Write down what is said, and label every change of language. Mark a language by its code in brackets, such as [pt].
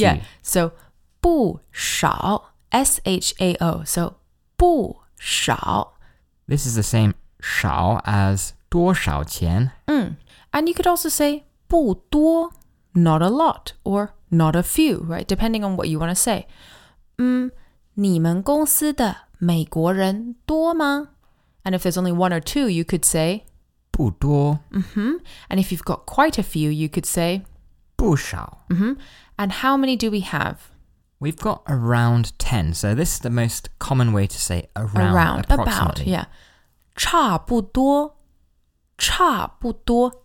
[en] Yeah. So 不少, S-H-A-O. So 不少. This is the same 少 as 多少钱. And you could also say 不多, not a lot, or not a few, right? Depending on what you want to say. [zh] 你们公司的美国人多吗? [en] And if there's only one or two, you could say [zh] 不多. Mm-hmm. [en] And if you've got quite a few, you could say [zh] 不少. [en] Mm-hmm. And how many do we have? We've got around 10. So this is the most common way to say around approximately. About, yeah. [zh] 差不多.差不多.